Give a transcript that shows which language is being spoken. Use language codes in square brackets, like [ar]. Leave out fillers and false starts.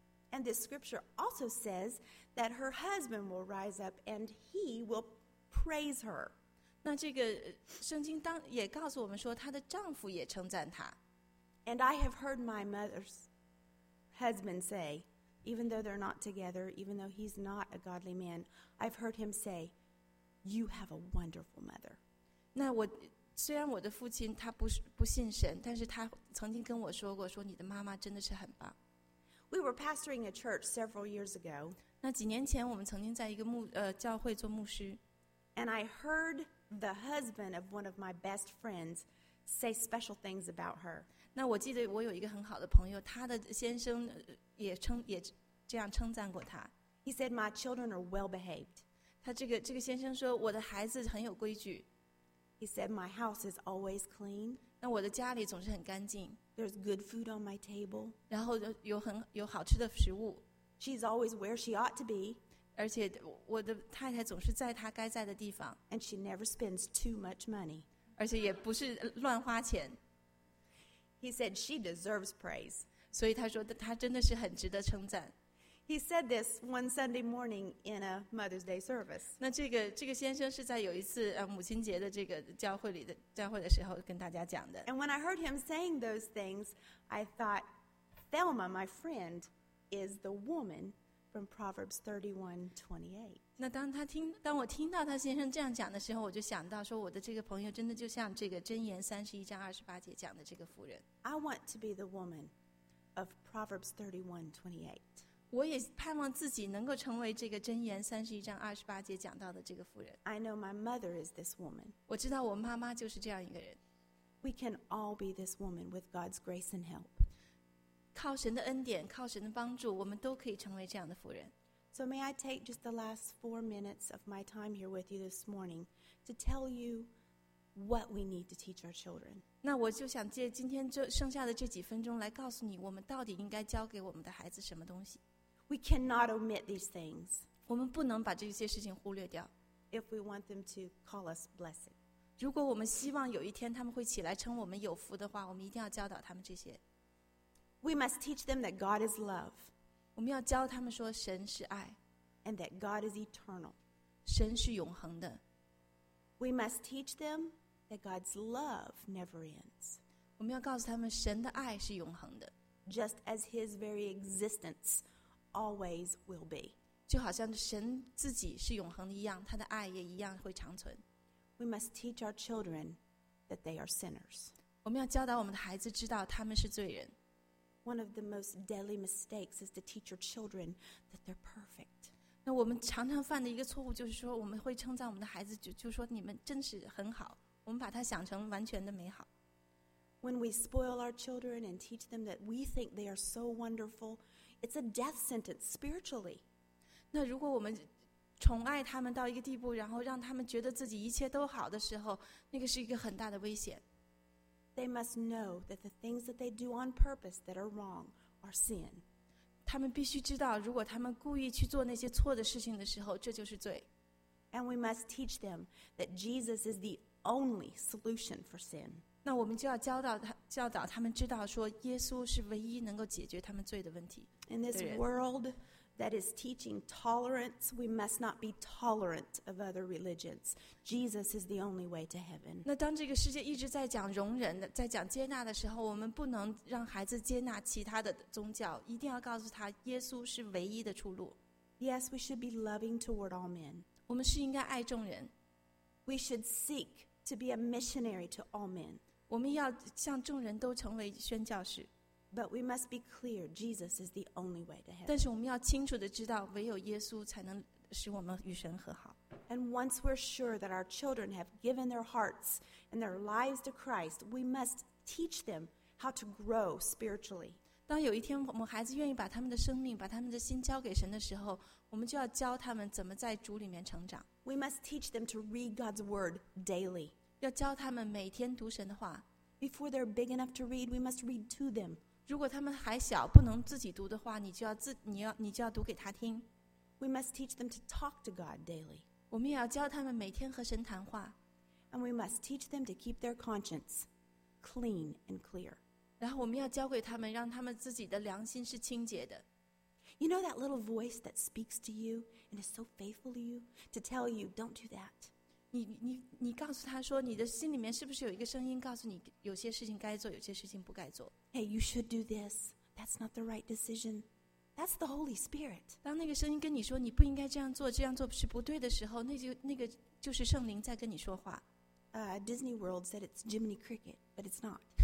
[en] And this scripture also says that her husband will rise up and he will praise her. [zh] 那这个圣经当也告诉我们说她的丈夫也称赞她。 [en] And I have heard my mother's husband say, even though they're not together, even though he's not a godly man, I've heard him say, you have a wonderful mother. [zh] 那我虽然我的父亲他不信神，但是他曾经跟我说过，说你的妈妈真的是很棒。 [en] We were pastoring a church several years ago. [zh] 那几年前我们曾经在一个教会做牧师。 [en] And I heard the husband of one of my best friends say special things about her. [zh] 那我记得我有一个很好的朋友，他的先生也这样称赞过他。 [en] He said my children are well behaved. [zh] 他这个先生说我的孩子很有规矩。 [en] He said my house is always clean. [zh] 那我的家里总是很干净。 [en] There's good food on my table. [zh] 然后有好吃的食物。 [en] She's always where she ought to be. [zh] 而且我的太太总是在她该在的地方。 [en] And she never spends too much money. [zh] 而且也不是乱花钱。 [en] He said she deserves praise. [zh] 所以他说她真的是很值得称赞。 [en] He said this one Sunday morning in a Mother's Day service. [zh] 那这个先生是在有一次母亲节的这个教会的时候跟大家讲的。 [en] And when I heard him saying those things, I thought, Thelma, my friend, is the woman from Proverbs 31:28. [zh] 那当我听到他先生这样讲的时候，我就想到说，我的这个朋友真的就像这个箴言31:28讲的这个妇人。 [en] I want to be the woman of Proverbs 31:28. [zh] 我也盼望自己能够成为这个箴言31:28讲到的这个妇人。 [en] I know my mother is this woman. [zh] 我知道我妈妈就是这样一个人。 [en] We can all be this woman with God's grace and help. [zh] 靠神的恩典，靠神的帮助，我们都可以成为这样的妇人。 [en] So may I take just the last 4 minutes of my time here with you this morning to tell you what we need to teach our children? [zh] 那我就想借今天这剩下的这几分钟来告诉你，我们到底应该教给我们的孩子什么东西。 [en] We cannot omit these things. [zh] 我们不能把这些事情忽略掉。 [en] If we want them to call us blessed. [zh] 如果我们希望有一天他们会起来称我们有福的话，我们一定要教导他们这些。 [en] We must teach them that God is love. [zh] 我们要教他们说神是爱。 [en] And that God is eternal. [zh] 神是永恒的。 [en] We must teach them that God's love never ends. [zh] 我们要告诉他们神的爱是永恒的。 [en] Just as His very existence. Always will be. [zh] 就好像神自己是永恒的一样，他的爱也一样会长存。 [en] We must teach our children that they are sinners. [zh] 我们要教导我们的孩子知道他们是罪人。 [en] One of the most deadly mistakes is to teach your children that they're perfect. [zh] 那我们常常犯的一个错误就是说，我们会称赞我们的孩子，就说你们真是很好，我们把他想成完全的美好。 [en] When we spoil our children and teach them that we think they are so wonderful. It's a death sentence spiritually. [zh] 那如果我们宠爱他们到一个地步，然后让他们觉得自己一切都好的时候，那个是一个很大的危险。 [en] They must know that the things that they do on purpose that are wrong are sin. [zh] 他们必须知道，如果他们故意去做那些错的事情的时候，这就是罪。 [en] And we must teach them that Jesus is the only solution for sin. [zh] 那我们就要教导他们知道说耶稣是唯一能够解决他们罪的问题。 [en] In this world that is teaching tolerance, we must not be tolerant of other religions. Jesus is the only way to heaven. [zh] 那当这个世界一直在讲容忍，在讲接纳的时候，我们不能让孩子接纳其他的宗教，一定要告诉他耶稣是唯一的出路。 [en] Yes, we should be loving toward all men. [zh] 我们是应该爱众人。 [en] We should seek to be a missionary to all men. [zh] 我们要向众人都成为宣教士。 [en] But we must be clear, Jesus is the only way to heaven. [zh] 但是我们要清楚地知道，唯有耶稣才能使我们与神和好。 [en] And once we're sure that our children have given their hearts and their lives to Christ, we must teach them how to grow spiritually. [zh] 当有一天我们孩子愿意把他们的生命、把他们的心交给神的时候，我们就要教他们怎么在主里面成长。 [en] We must teach them to read God's word daily. [zh] 要教他们每天读神的话。 [en] Before they're big enough to read, we must read to them. [zh] 如果他们还小不能自己读的话，你就要读给他听。 [en] We must teach them to talk to God daily. [zh] 我们也要教他们每天和神谈话。 [en] And we must teach them to keep their conscience clean and clear. [zh] 然后我们要教给他们，让他们自己的良心是清洁的。 [en] You know that little voice that speaks to you and is so faithful to you to tell you don't do that. [zh] 你告诉他说，你的心里面是不是有一个声音告诉你有些事情该做，有些事情不该做？ [en] Hey, you should do this. That's not the right decision. That's the Holy Spirit. [zh] 当那个声音跟你说你不应该这样做，这样做是不对的时候，那个就是圣灵在跟你说话。 [en] Disney World said it's Jiminy Cricket, but it's not.